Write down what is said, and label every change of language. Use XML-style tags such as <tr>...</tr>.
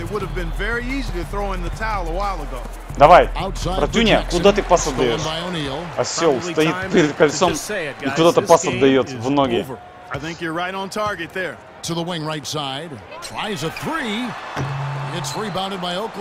<en>It would have been very easy to throw in the towel a while ago.</en> <ru>Давай, братюня, куда ты пас отдаешь? Осел стоит перед кольцом и куда-то пас отдает в ноги.</ru> <en>I think you're right on target there. To the wing right side. Tries a three. It's rebounded by Oklahoma.</en>